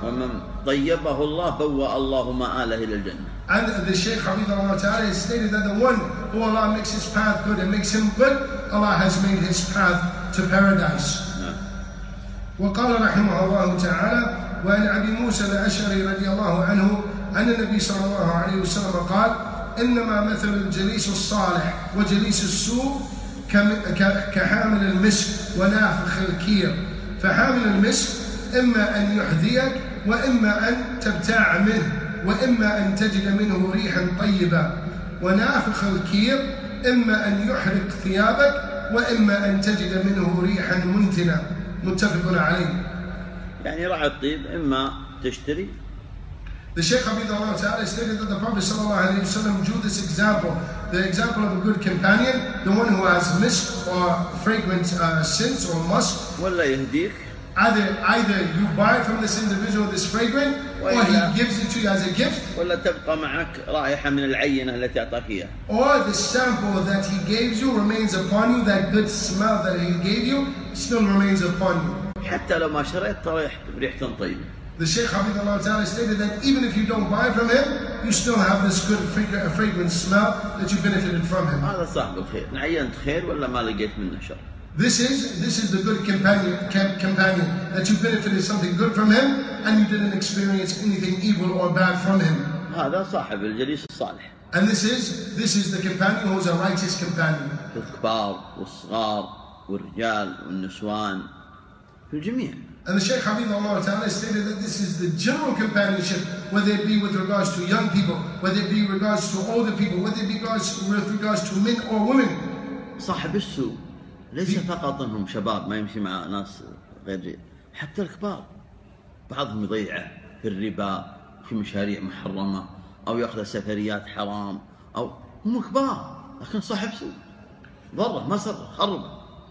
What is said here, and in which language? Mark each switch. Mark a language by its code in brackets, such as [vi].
[ar] ومن طيبه الله بوى الله مآله إلى الجنة. [en] And the Shaykh Habibullah Ta'ala stated that the one who Allah makes his path good and makes him good, Allah has made his path to paradise. [ar] وقال رحمه الله تعالى وعن أبي موسى الأشعري رضي الله عنه أن النبي صلى الله عليه وسلم قال إنما مثل الجليس الصالح وجليس السوء كحامل المسك ونافخ الكير. فحامل المسك إما أن يحذيك وإما أن تبتاع منه وإما أن تجد منه ريحا طيبة. ونافخ الكير إما أن يحرق ثيابك وإما أن تجد منه ريحا منتنة. متفق عليه. يعني راعي الطيب إما تشتري. [en] The Shaykh Habibullah Ta'ala stated that the Prophet [ar] صلى الله عليه وسلم [en] drew this example, the example of a good companion, the one who has misk or fragrant scents or musk. [ar] ولا يهديك. [en] Either you buy from this individual this fragrant, or he gives it to you as a gift. [ar] ولا تبقى معك رائحة من العينة التي أعطاك إياها. [en] Or the sample that he gave you remains upon you, that good smell that he gave you still remains upon you. [ar] حتى لو ما شريت ترى ريحته طيبه. [en] The Shaykh Habibullah Ta'ala stated that even if you don't buy from him, you still have this good fragrant smell that you benefited from him. [ar] هذا صاحب الخير. عينت خير ولا ما لقيت منه شر. [en] This is the good companion that you benefited something good from him and you didn't experience anything evil or bad from him. [ar] هذا صاحب الجليس الصالح. [en] And this is the companion who is a righteous companion. [ar] الكبار والصغار والرجال والنسوان. الجميع. [en] And the Shaykh Habibullah Ta'ala stated that this is the general companionship, whether it be with regards to young people, whether it be regards to older people, whether it be with regards to men or women. [ar] صاحب السوء ليس فقط انهم شباب ما يمشي مع ناس غير حتى الكبار بعضهم يضيعه في الربا في مشاريع محرمة أو يأخذ سفريات حرام أو هم كبار لكن صاحب سوء ضره ما صر خرب.